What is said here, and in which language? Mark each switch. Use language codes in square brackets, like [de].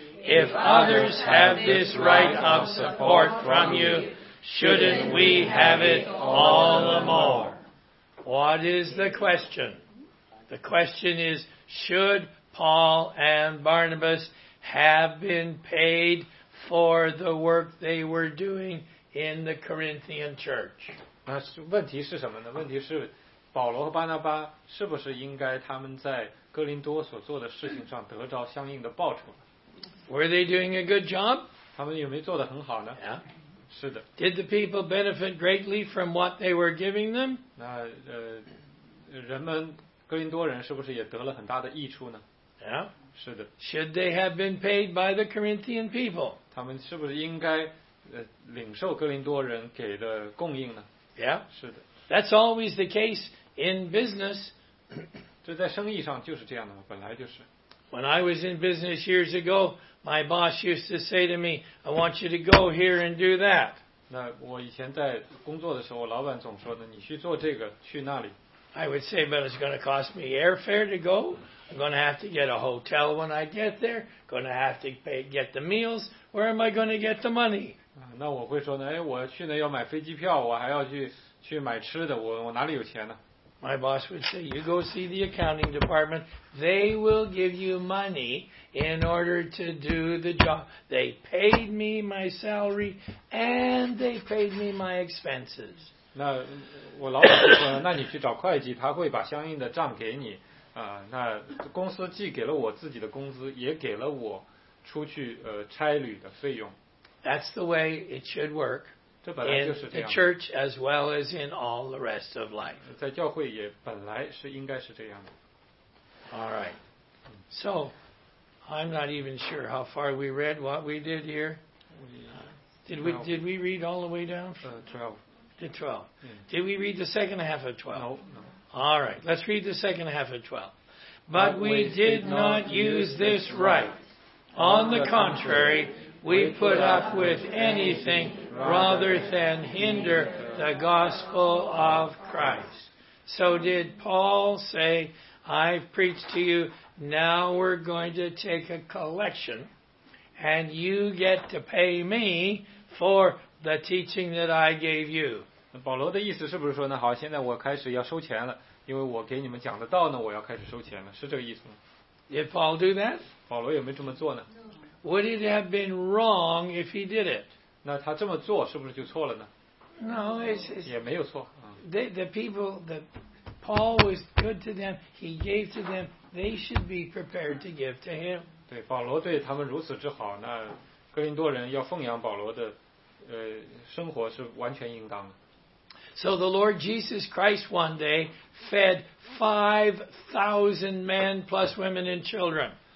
[en] If others have this right of support from you, shouldn't we have it all the more? What is the question? The question is, should Paul and Barnabas have been paid for the work they were doing in the Corinthian church? [zh] 那问题是什么呢？问题是保罗和巴拿巴是不是应该他们在哥林多所做的事情上得到相应的报酬？ [en] Were they doing a good job? [zh] 他们有没有做得很好呢？ [en] Yeah. [zh] 是的。 [en] Did the people benefit greatly from what they were giving them? [zh] 那人们哥林多人是不是也得了很大的益处呢？ [en] Yeah. [zh] 是的。 [en] Should they have been paid by the Corinthian people? [zh] 他们是不是应该领受哥林多人给的供应呢？ [en] Yeah. [zh] 是的。 [en] That's always the case in business. [zh] 这在生意上就是这样的嘛，本来就是。 [en] When I was in business years ago, my boss used to say to me, I want you to go here and do that. [zh] 那我以前在工作的时候，我老板总说呢，你去做这个，去那里。 [en] I would say, but it's going to cost me airfare to go. I'm going to have to get a hotel when I get there. I'm going to have to get the meals. Where am I going to get the money? [zh] 那我会说呢，哎，我去呢要买飞机票，我还要去买吃的，我哪里有钱呢？ [en] My boss would say, you go see the accounting department. They will give you money in order to do the job. They paid me my salary and they paid me my expenses. [zh] 那我老板就说呢，那你去找会计，他会把相应的账给你。那公司既给了我自己的工资，也给了我出去差旅的费用。 [en] That's the way it should work in the church as well as in all the rest of life. [zh] 在教会也本来是应该是这样的。 [en] All right. So, I'm not even sure how far we read what we did here. Did we read all the way down? 12. Did we read the second half of 12? No. All right. Let's read the second half of 12. But we did not use this right. On the contrary, we put up with anything rather than hinder the gospel of Christ. So did Paul say, I've preached to you. Now we're going to take a collection, and you get to pay me for the teaching that I gave you. [zh] 保罗的意思是不是说呢？好，现在我开始要收钱了，因为我给你们讲的道呢，我要开始收钱了，是这个意思吗？ [en] Did Paul do that? [zh] 保罗有没有这么做呢？ [en] Would it have been wrong if he did it? [zh] 那他这么做是不是就错了呢？ [en] No, it's [zh] 也没有错。 [en] The people, Paul was good to them. He gave to them. They should be prepared to give to him. [zh] 对，保罗对他们如此之好，那哥林多人要奉养保罗的，生活是完全应当的。 [en] So the Lord Jesus Christ one day fed 5,000 men plus women and children.